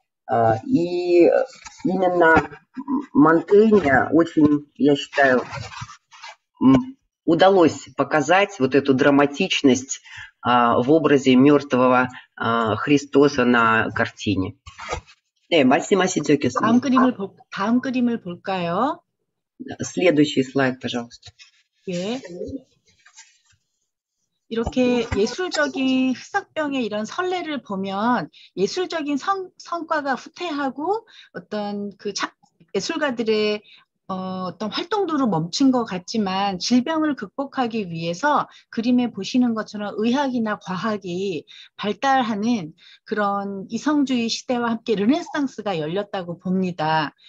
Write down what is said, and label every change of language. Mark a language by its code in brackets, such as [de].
[ru] И именно Монтэнья очень, я считаю, удалось показать вот эту драматичность в образе мертвого Христоса на картине. [ko] 네, 말씀하시죠, 교수님. 다음 그림을 다음 그림을 볼까요? [ru] Следующий слайд, пожалуйста. [ko] 예. 이렇게 예술적인 흑사병의 이런 선례를 보면 예술적인 성과가 후퇴하고 어떤 그 예술가들의 어떤 활동도로 멈춘 것 같지만 질병을 극복하기 위해서 그림에 보시는 것처럼 의학이나 과학이 발달하는 그런 이성주의 시대와 함께 르네상스가 열렸다고 봅니다.